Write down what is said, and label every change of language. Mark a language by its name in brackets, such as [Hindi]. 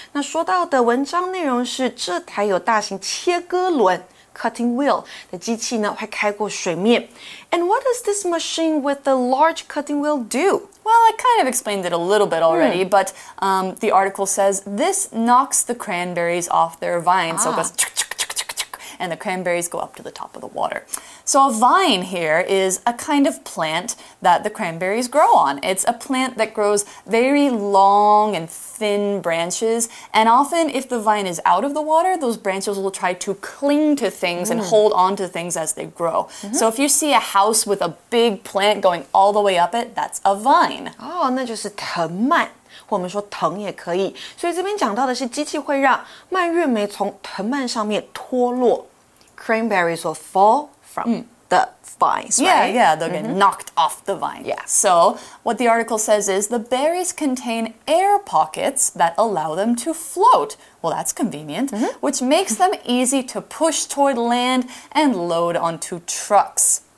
[Chinese] 那说到的文章内容是这台有大型切割轮。 Cutting wheel 的机器呢会开过水面。 [English] And what does this machine with the large cutting wheel do? Well, I kind of explained it a little bit already, but the article says this knocks the cranberries off their vine. So it goes chuk, chuk, chuk, chuk, chuk, and the cranberries go up to the top of the water. So a vine here is a kind of plant that the cranberries grow on. It's a plant that grows very long and thin branches, and often if the vine is out of the water, those branches will try to cling to things and hold on to things as they grow. So if you see a house with a big plant going all the way up it, that's a vine. [Chinese] Oh, 那就是藤蔓，或我们说藤也可以。所以这边讲到的是机器会让蔓越莓从藤蔓上面脱落。 [English] Cranberries will fall from the vines, right? Yeah, yeah, they'll get knocked off the vine. Yeah. So, what the article says is, the berries contain air pockets that allow them to float. Well, that's convenient. Which makes them easy to push toward land and load onto trucks.